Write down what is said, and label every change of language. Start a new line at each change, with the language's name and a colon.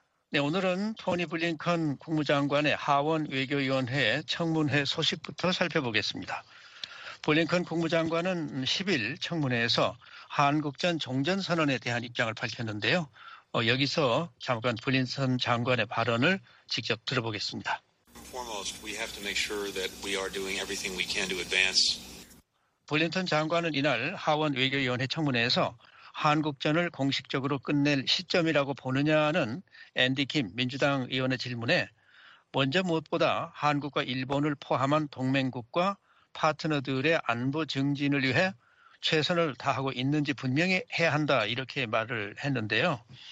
Korean: 네, 오늘은 토니 블링컨 국무장관의 하원 외교위원회 청문회 소식부터 살펴보겠습니다. 블링컨 국무장관은 10일 청문회에서 한국전 종전선언에 대한 입장을 밝혔는데요. 여기서 잠깐 블링컨 장관의 발언을 직접 들어보겠습니다.
English: Foremost, we have to make sure that we are doing everything we can to advance.
Korean: 블링컨 장관은 이날 하원 외교위원회 청문회에서 한국전을 공식적으로 끝낼 시점이라고 보느냐는 앤디 김 민주당 의원의 질문에 먼저 무엇보다 한국과 일본을 포함한 동맹국과 파트너들의 안보 증진을 위해 최선을 다하고 있는지 분명히 해야 한다 이렇게 말을 했는데요.